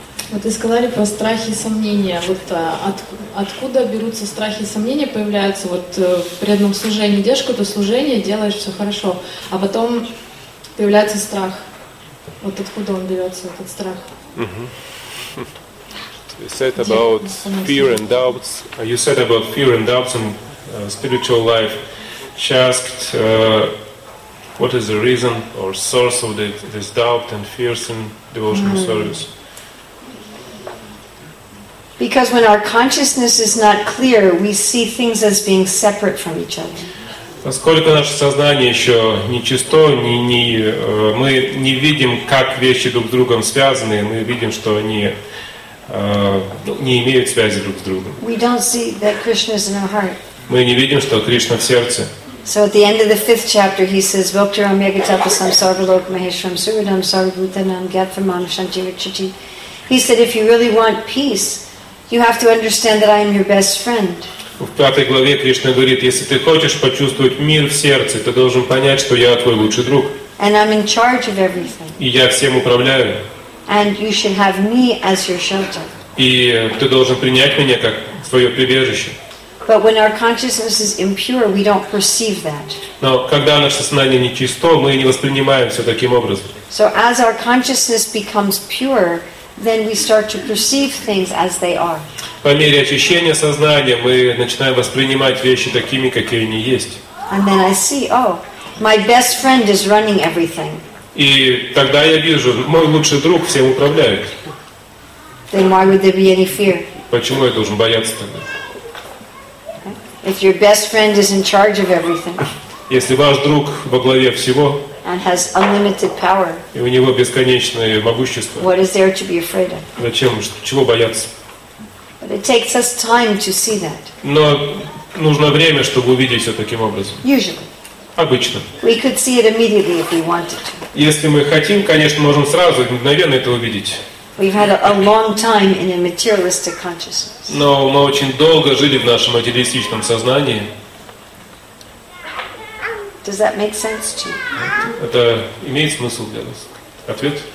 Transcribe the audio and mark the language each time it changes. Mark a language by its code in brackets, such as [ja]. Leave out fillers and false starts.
[ru] Вот вы сказали про страхи и сомнения. Вот откуда берутся страхи и сомнения, появляются вот в преданном служении? Идешь какое-то служение, делаешь все хорошо, а потом появляется страх. Вот откуда он берется, этот страх? [en] You said about fear and doubts. You said about fear and doubts in spiritual life. She asked, what is the reason or source of this doubt and fears in devotional service? Because when our consciousness is not clear, we see things as being separate from each other. [ru] Поскольку наше сознание еще нечисто, мы не видим, как вещи друг с другом связаны, мы видим, что они не имеют связи друг с другом. [en] We don't see that Krishna is in our heart. [ru] Мы не видим, что Кришна в сердце. [en] So at the end of the fifth chapter, he says, [sa] "Vokturam yagatapasam sarvalok maheshram suridam sarvabhutanam gatvamam shanjirachiti." [en] He said, "If you really want peace, you have to understand that I am your best friend." [ru] В пятой главе Кришна говорит, если ты хочешь почувствовать мир в сердце, ты должен понять, что я твой лучший друг. [en] And I'm in charge of everything. [ru] И я всем управляю. [en] And you should have me as your shelter. [ru] И ты должен принять меня как свое прибежище. [en] But when our consciousness is impure, we don't perceive that. [ru] Но когда наше сознание нечисто, мы не воспринимаем все таким образом. [en] So as our consciousness becomes pure, then we start to perceive things as they are. [ru] По мере очищения сознания мы начинаем воспринимать вещи такими, какие они есть. [en] And then I see, oh, my best friend is running everything. [ru] И тогда я вижу, мой лучший друг всем управляет. [en] Then why would there be any fear? [ru] Почему я должен бояться тогда? [en] If your best friend is in charge of everything. [ru] Если ваш друг во главе всего. [en] And has unlimited power. [ru] И у него бесконечное могущество. [en] What is there to be afraid of? [ru] Зачем, чего бояться? [en] But it takes us time to see that. [ru] Но нужно время, чтобы увидеть все таким образом. [en] Usually. [ru] Обычно. [en] We could see it immediately if we wanted to. [ru] Если мы хотим, конечно, можем сразу мгновенно это увидеть. [en] We've had a long time in a materialistic consciousness. [ru] Но мы очень долго жили в нашем материалистичном сознании. [en] Does that make sense to you? [ru] Это имеет смысл для нас? Ответ?